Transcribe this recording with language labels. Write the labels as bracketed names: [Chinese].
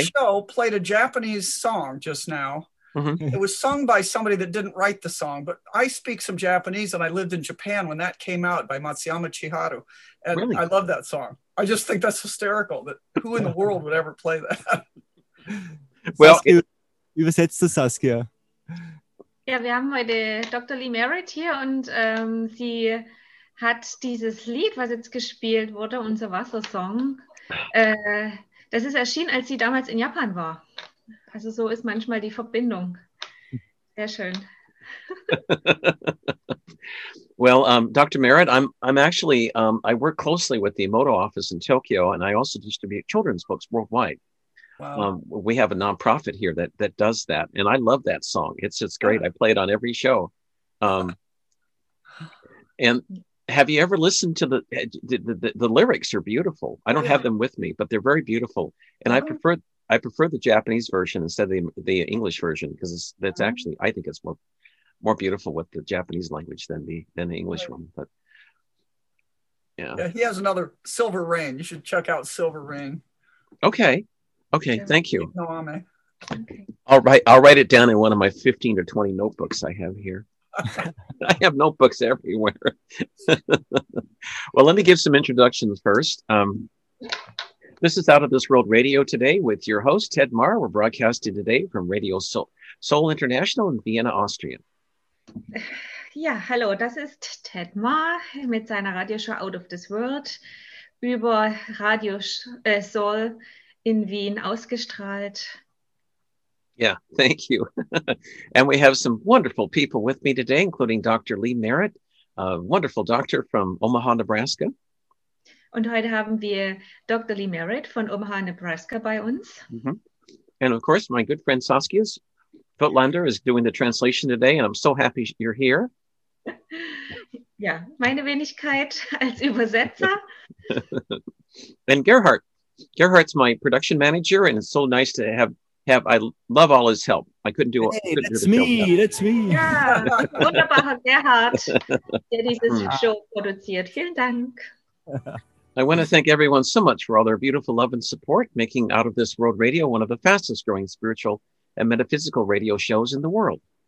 [English] Your show played a Japanese song just now. Mm-hmm. It was sung by somebody that didn't write the song, but I speak some Japanese and I lived in Japan when that came out by Matsuyama Chiharu. And really? I love that song. I just think that's hysterical that who in the world would ever play that? [German] Well, Saskia, übersetzt das, Saskia. Ja, wir haben heute Dr. Lee Merritt hier und sie hat dieses Lied, was jetzt gespielt wurde, unser Wassersong, das ist erschienen, als sie damals in Japan war. Also so ist manchmal die Verbindung. Sehr schön. [English] Well, Dr. Merritt, I'm actually I work closely with the Emoto office in Tokyo, and I also distribute children's books worldwide. Wow. We have a nonprofit here that does that, and I love that song. It's great. I play it on every show. And have you ever listened to the lyrics are beautiful. I don't have them with me, but they're very beautiful, and I prefer the Japanese version instead of the English version because that's actually, I think it's more beautiful with the Japanese language than the English one. But yeah, he has another Silver Rain. You should check out Silver Rain. Okay. Thank you. No, I'm okay. All right. I'll write it down in one of my 15 or 20 notebooks I have here. I have notebooks everywhere. Well, let me give some introductions first. This is Out of This World Radio today with your host, Ted Marr. We're broadcasting today from Radio Soul International in Vienna, Austria. [German] Ja, hallo, das ist Ted Marr mit seiner Radioshow Out of This World über Radio Soul in Wien ausgestrahlt. [English] Yeah, thank you. And we have some wonderful people with me today, including Dr. Lee Merritt, a wonderful doctor from Omaha, Nebraska. [German] Und heute haben wir Dr. Lee Merritt von Omaha, Nebraska bei uns. Mm-hmm. [English] And of course, my good friend Saskia Footlander is doing the translation today, and I'm so happy you're here. [German] Ja, meine Wenigkeit als Übersetzer. [English] And Gerhard. Gerhard's my production manager, and it's so nice to have, I love all his help. I couldn't do it. Hey, that's me. [German] Ja, wunderbarer Gerhard, der dieses Show produziert. Vielen Dank. [English] I want to thank everyone so much for all their beautiful love and support, making Out of This World Radio one of the fastest growing spiritual and metaphysical radio shows in the world.